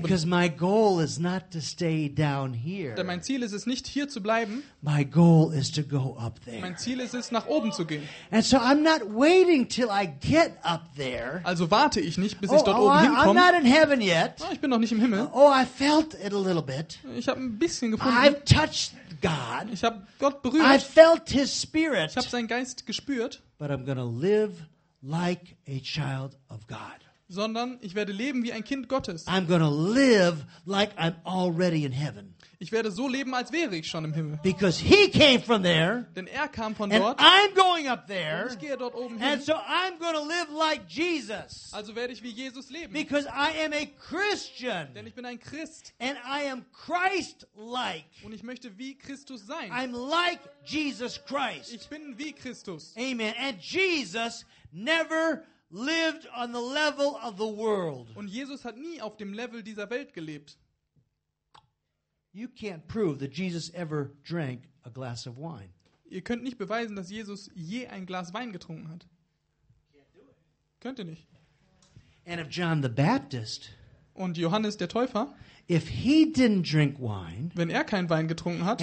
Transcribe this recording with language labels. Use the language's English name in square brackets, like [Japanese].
[English] Because my goal is not to stay down here. [German] Denn mein Ziel ist es nicht hier zu bleiben. [English] My goal is to go up there. [German] Mein Ziel ist es nach oben zu gehen. [English] And so I'm not waiting till I get up there. [German] Also warte ich nicht bis ich dort oben hinkomme. [English] I'm not in heaven yet. [German] Ich bin noch nicht im Himmel. [English] Oh, I felt it a little bit. [German] Ich habe ein bisschen gefunden. [English] I've touched God. [German] Ich habe Gott berührt. [English] I felt his spirit. [German] Ich habe seinen Geist gespürt. [English] But I'm gonna live like a child of God. [German] Sondern ich werde leben wie ein Kind Gottes. [English] I'm gonna live like I'm already in heaven. [German] Ich werde so leben, als wäre ich schon im Himmel. [English] Because he came from there. [German] Denn er kam von [English] and [German] dort. [English] I'm going up there. [German] Und ich gehe dort oben [English] and So I'm going to live like Jesus. [German] Also werde ich wie Jesus leben. [English] Because I am a Christian. [German] Denn ich bin ein Christ. [English] And I am Christ-like. [German] Und ich möchte wie Christus sein. [English] I'm like Jesus Christ. [German] Ich bin wie Christus. [English] Amen. And Jesus never lived on the level of the world. [German] Und Jesus hat nie auf dem Level dieser Welt gelebt. [English] You can't prove that Jesus ever drank a glass of wine. [German] Ihr könnt nicht beweisen, dass Jesus je ein Glas Wein getrunken hat. Könnt ihr nicht. [English] And if John the Baptist, [German] und Johannes der Täufer, [English] if he didn't drink wine, [German] wenn er keinen Wein getrunken hat,